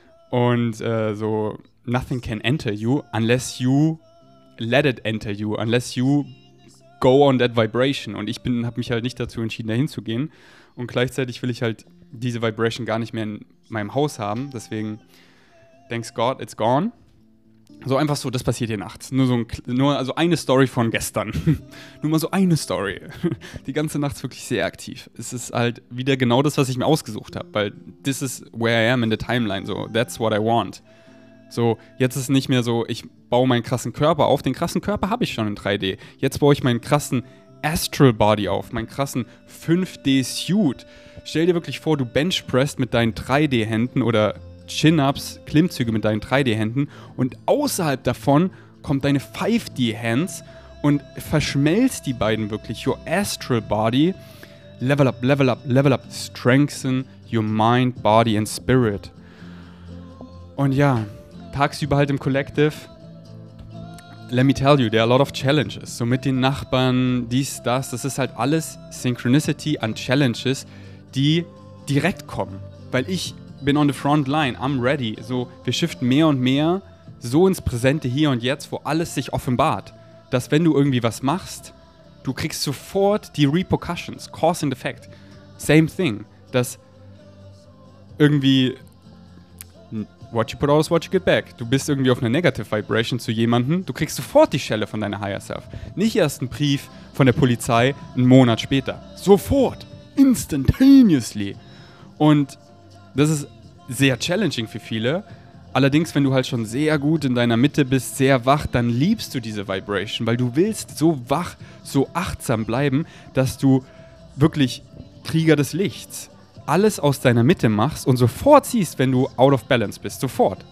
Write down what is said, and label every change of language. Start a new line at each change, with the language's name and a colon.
German: Und so,
English: nothing can enter you, unless you let it enter you, unless you go on that vibration.
German: Und ich habe mich halt nicht dazu entschieden, dahin zu gehen. Und gleichzeitig will ich halt diese Vibration gar nicht mehr in meinem Haus haben. Deswegen,
English: thanks God, it's gone.
German: So einfach so, das passiert hier nachts. Nur so also eine Story von gestern. Nur mal so eine Story. Die ganze Nacht ist wirklich sehr aktiv. Es ist halt wieder genau das, was ich mir ausgesucht habe. Weil
English: this is where I am in the timeline. So, that's what I want.
German: So, jetzt ist es nicht mehr so, ich baue meinen krassen Körper auf. Den krassen Körper habe ich schon in 3D. Jetzt baue ich meinen krassen
English: Astral Body
German: auf, meinen krassen 5D-Suit. Stell dir wirklich vor, du benchpresst mit deinen 3D-Händen oder Chin-Ups, Klimmzüge mit deinen 3D-Händen und außerhalb davon kommt deine
English: 5D-Hands
German: und verschmelzt die beiden wirklich.
English: Your Astral Body, level up, level up, level up, strengthen your mind, body and spirit.
German: Und ja, tagsüber halt im Collective,
English: let me tell you, there are a lot of challenges.
German: So mit den Nachbarn, dies, das. Das ist halt alles Synchronicity an Challenges, die direkt kommen. Weil ich bin
English: on the front line, I'm ready.
German: So, wir shiften mehr und mehr so ins Präsente hier und jetzt, wo alles sich offenbart. Dass wenn du irgendwie was machst, du kriegst sofort die Repercussions,
English: Cause and Effect. Same thing.
German: Dass irgendwie,
English: what you put out is what you get back.
German: Du bist irgendwie auf einer
English: Negative Vibration
German: zu jemandem, du kriegst sofort die Schelle von deiner
English: Higher Self.
German: Nicht erst einen Brief von der Polizei, einen Monat später. Sofort.
English: Instantaneously.
German: Und das ist sehr challenging für viele. Allerdings, wenn du halt schon sehr gut in deiner Mitte bist, sehr wach, dann liebst du diese Vibration, weil du willst so wach, so achtsam bleiben, dass du wirklich Krieger des Lichts alles aus deiner Mitte machst und sofort siehst, wenn du
English: out of balance
German: bist, sofort.